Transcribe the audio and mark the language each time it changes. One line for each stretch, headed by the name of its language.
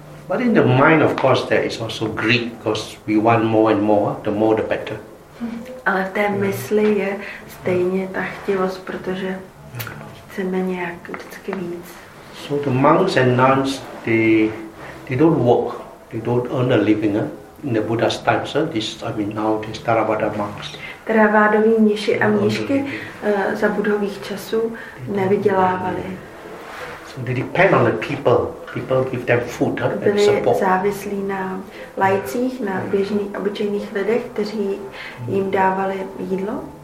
English: But in the mind, of course, there is also greed, because we want more and more, the more the better.
Czech: Ale v té mysli je stejně ta chtivost, protože chceme nějak vždycky víc.
English: So the monks and nuns, they don't work, they don't earn a living. In the Buddha's times, now the Theravada monks.
Czech: Theravadoví mniši a mnišky za buddhových časů nevydělávali.
English: So they depend on the people. People give them food and support.
Czech: Byli závislí na laicích, na běžných, obyčejných lidech, kteří jim dávali jídlo.